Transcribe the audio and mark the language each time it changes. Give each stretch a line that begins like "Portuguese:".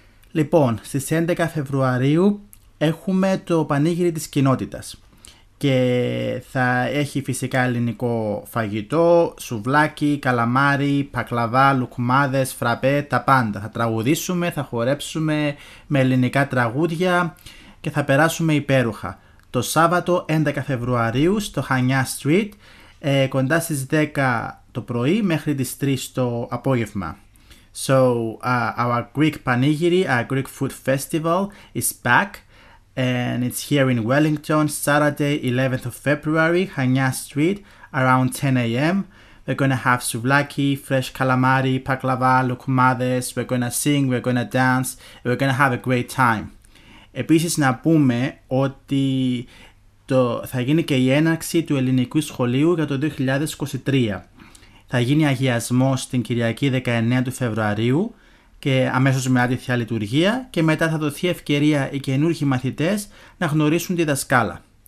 Greek: Λοιπόν, στις 11 Φεβρουαρίου έχουμε το πανήγυρι της κοινότητας και θα έχει φυσικά ελληνικό φαγητό, σουβλάκι, καλαμάρι, πακλαβά, λουκουμάδες, φραπέ, τα πάντα. Θα τραγουδήσουμε, θα χορέψουμε με ελληνικά τραγούδια και θα περάσουμε υπέροχα. Το Σάββατο 11 Φεβρουαρίου στο Χανιά Street, κοντά στις 10 το πρωί μέχρι τις 3 το απόγευμα.
English: So, our Greek Panigiri, our Greek Food Festival is back. And it's here in Wellington, Saturday, 11th of February, Hanya Street, around 10 a.m. We're going to have souvlaki, fresh calamari, paklava, lukumades. We're going to sing, we're going to dance, and we're going to have a great time.
Greek: Επίσης να πούμε ότι θα γίνει και η έναρξη του Ελληνικού Σχολείου για το 2023. Θα γίνει αγιασμός την Κυριακή 19 του Φεβρουαρίου, και αμέσως μετά τη Θεία Λειτουργία, και μετά θα δοθεί ευκαιρία οι καινούργιοι μαθητές να γνωρίσουν τη δασκάλα.